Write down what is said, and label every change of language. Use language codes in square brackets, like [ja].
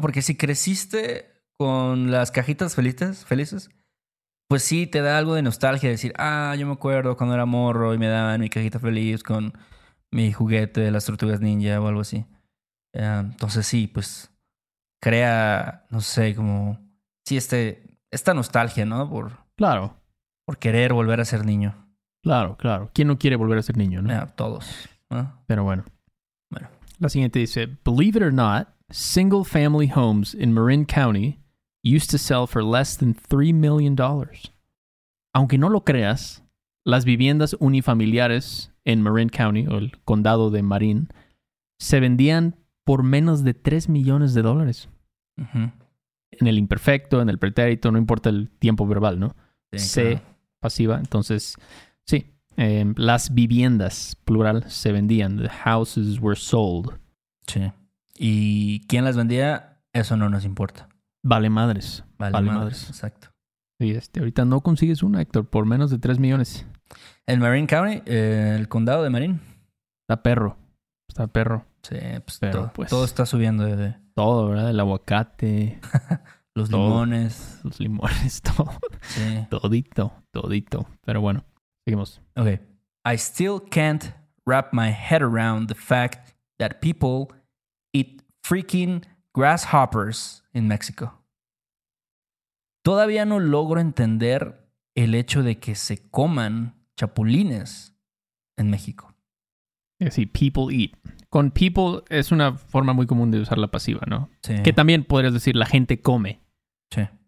[es] Porque si creciste con las cajitas felices, pues sí te da algo de nostalgia decir, yo me acuerdo cuando era morro y me daban mi cajita feliz con mi juguete de las Tortugas Ninja o algo así. Entonces sí, pues crea, no sé, como, sí, esta nostalgia, ¿no? Por, claro. Por querer volver a ser niño. Claro. ¿Quién no quiere volver a ser niño, no? Todos. Pero bueno. Bueno. La siguiente dice: [en] believe it or not, single-family homes in Marin County used to sell for less than $3 million. [es] Aunque no lo creas, las viviendas unifamiliares en Marin County, o el condado de Marin, se vendían por menos de $3 millones. Uh-huh. En el imperfecto, en el pretérito, no importa el tiempo verbal, ¿no? Sí, se claro. Pasiva. Entonces, sí, las viviendas, plural, se vendían. [en] The houses were sold. [es] Sí. ¿Y quién las vendía? Eso no nos importa. Vale madres. Vale madres. Exacto. Sí, ahorita no consigues una, Héctor, por menos de $3 millones. ¿En Marin County? ¿El condado de Marin? Está perro. Sí, pues, todo está subiendo. Todo, ¿verdad? El aguacate. Los limones, todo. Sí. Todito. Pero bueno, seguimos. Ok. [en] I still can't wrap my head around the fact that people eat freaking grasshoppers in Mexico. [es] Todavía no logro entender el hecho de que se coman chapulines en México. [en] Sí, people eat. [es] Con people es una forma muy común de usar la pasiva, ¿no? Sí. Que también podrías decir la gente come. Sí.